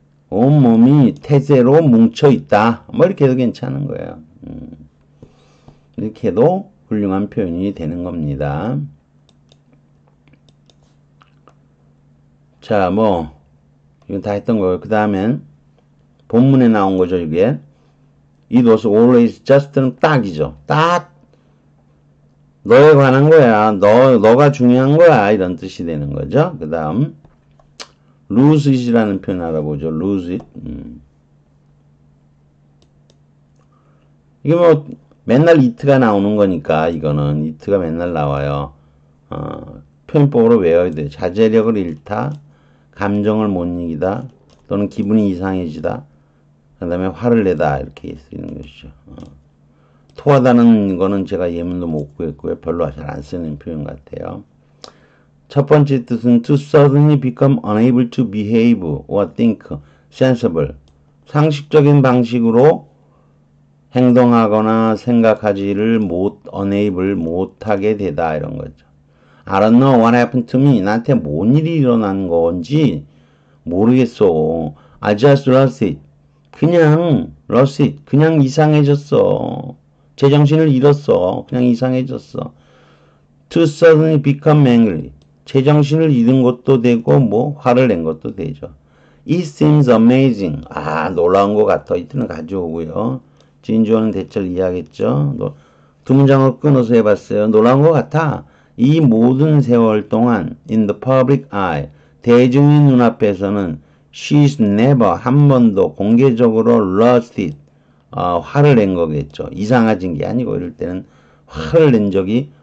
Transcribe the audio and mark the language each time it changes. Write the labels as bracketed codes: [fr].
[ko] 온몸이 태세로 뭉쳐있다. 뭐 이렇게 해도 괜찮은 거예요. 이렇게도 훌륭한 표현이 되는 겁니다. 자, 뭐, 이건 다 했던 거예요. 그 다음엔, 본문에 나온 거죠, 이게. [en] It was always just는 [ko] 딱이죠. 딱! 너에 관한 거야. 너가 중요한 거야. 이런 뜻이 되는 거죠. 그 다음, lose it이라는 표현 알아보죠. lose it. 이게 뭐, 맨날 it가 나오는 거니까, 이거는. it가 맨날 나와요. 표현법으로 외워야 돼. 자제력을 잃다, 감정을 못 이기다, 또는 기분이 이상해지다. 그 다음에 화를 내다 이렇게 쓰이는 것이죠. 토하다는 거는 제가 예문도 못 구했고요. 별로 잘안 쓰는 표현 같아요. 첫 번째 뜻은 [en] to suddenly become unable to behave or think sensible. [ko] 상식적인 방식으로 행동하거나 생각하지를 못 unable 못하게 되다 이런 거죠. [en] I don't know what happened to me. [ko] 나한테 뭔 일이 일어난 건지 모르겠어. [en] I just lost it. [ko] 그냥 러시 그냥 이상해졌어. 제정신을 잃었어. 그냥 이상해졌어. [en] To suddenly become angry. [ko] 제정신을 잃은 것도 되고 뭐 화를 낸 것도 되죠. [en] It seems amazing. [ko] 아, 놀라운 것 같아. 이때는 가져오고요. 진주원은 대체로 이해하겠죠. 두 문장을 끊어서 해봤어요. 놀라운 것 같아. 이 모든 세월 동안 [en] in the public eye [ko] 대중의 눈앞에서는 [en] She's never, [ko] 한 번도 공개적으로 [en] lost it. [ko] 화를 낸 거겠죠. 이상해진 게 아니고, 이럴 때는 화를 낸 적이